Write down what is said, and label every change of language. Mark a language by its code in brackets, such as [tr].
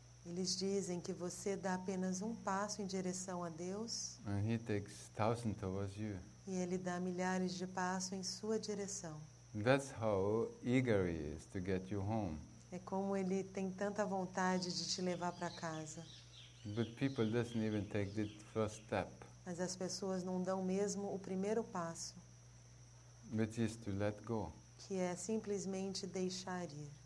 [pt] Eles dizem que você dá apenas um passo em direção a Deus. [en] And he takes thousands towards you. [pt] E ele dá milhares de passos em sua direção. [en] That's how eager he is to get you home. [pt] É como ele tem tanta vontade de te levar para casa. [en] But people doesn't even take the first step. [pt] Mas as pessoas não dão mesmo o primeiro passo. [en] Which is to let go. [pt] Que é simplesmente deixar ir.